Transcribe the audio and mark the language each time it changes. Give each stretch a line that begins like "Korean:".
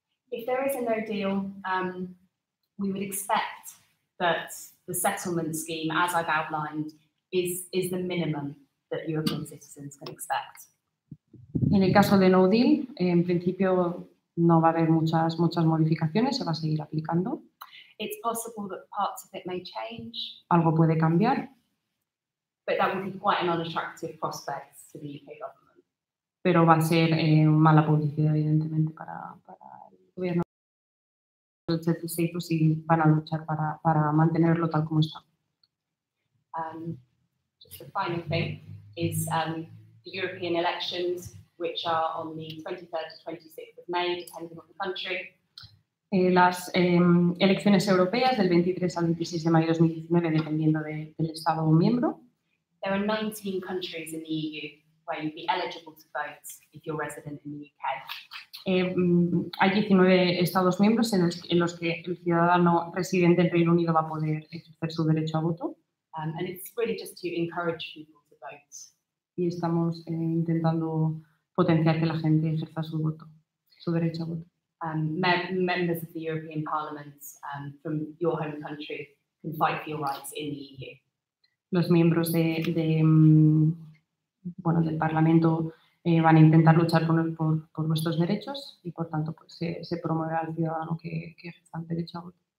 English: If there is a no deal, we would expect that the settlement scheme, as I've outlined, is the minimum that European citizens can expect.
Spanish: En el caso de no deal, en principio no va a haber muchas modificaciones, se va a seguir aplicando.
English: It's possible that parts of it may change.
Spanish: Algo puede cambiar.
English: But that would be quite an unattractive prospect to the UK government.
Spanish: Pero va a ser mala publicidad, evidentemente, para el gobierno. Y van a luchar para mantenerlo tal como está.
English: Just the final thing is the European elections, which are on the 23rd to 26th of May, depending on the country.
Spanish: Las elecciones europeas del 23 al 26 de mayo 2019, dependiendo del Estado miembro.
English: There are 19 countries in the EU where you'd be eligible to vote if you're resident in the UK.
Spanish: Hay 19 Estados miembros en los que el ciudadano residente del Reino Unido va a poder ejercer su derecho a voto.
English: And it's really just to encourage people to vote.
Spanish: Y estamos intentando potenciar que la gente ejerza su derecho a voto.
English: Members of the European Parliament from your home country can fight for your rights in the EU.
Spanish: Los miembros del Parlamento van a intentar luchar por nuestros derechos y, por tanto, pues, se promoverá al ciudadano que ejerza el derecho a voto.